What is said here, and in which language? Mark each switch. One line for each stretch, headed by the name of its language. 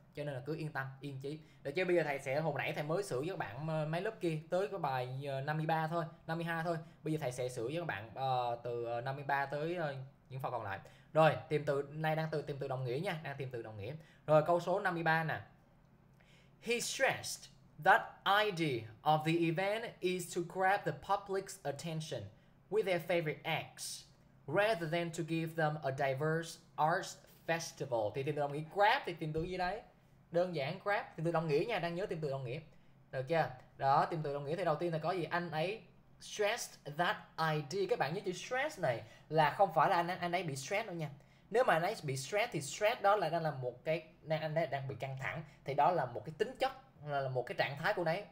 Vietnamese: Cho nên là cứ yên tâm, yên chí. Để chứ bây giờ thầy sẽ hồi nãy thầy mới xử với các bạn mấy lớp kia tới cái bài 53 thôi, 52 thôi. Bây giờ thầy sẽ xử với các bạn từ 53 tới những phần còn lại. Rồi, tìm từ này đang từ tìm từ đồng nghĩa nha, đang tìm từ đồng nghĩa. Rồi câu số 53 nè.
English: He stressed that idea of the event is to grab the public's attention with their favorite acts rather than to give them a diverse arts festival.
Vietnamese: Thì tìm từ đồng nghĩa grab thì tìm từ gì đấy? Đơn giản grab tìm từ đồng nghĩa nha, đang nhớ tìm từ đồng nghĩa. Được chưa? Đó, tìm từ đồng nghĩa thì đầu tiên là có gì? Anh ấy
English: stressed that idea.
Vietnamese: Các bạn nhớ chữ stress này là không phải là anh ấy bị stress đâu nha. Nếu mà anh ấy bị stress thì stress đó là đang là một cái anh ấy đang bị căng thẳng, thì đó là một cái tính chất, là một cái trạng thái của đấy.